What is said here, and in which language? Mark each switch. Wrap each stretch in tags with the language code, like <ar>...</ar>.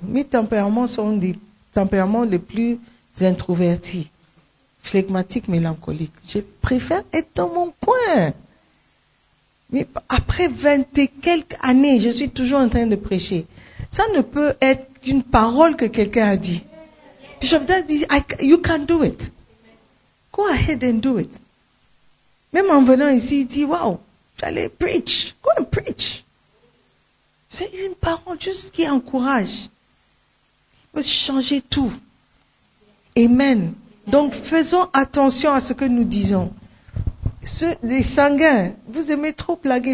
<fr>Mes tempéraments sont des tempéraments les plus introvertis. Flegmatique, mélancolique. Je préfère être dans mon coin. Mais après 20 et quelques années, je suis toujours en train de prêcher. Ça ne peut être qu'une parole que quelqu'un a dit.</fr> <en>Bishop Dag dit, you can do it. Go ahead and do it.</en> <fr>Même en venant ici, il dit, wow, j'allais preach.</fr> <en>Go and preach.</en> <fr>C'est une parole juste qui encourage. Il peut changer tout. Amen. Donc, faisons attention à ce que nous disons. Les sanguins, vous aimez trop blaguer.</fr>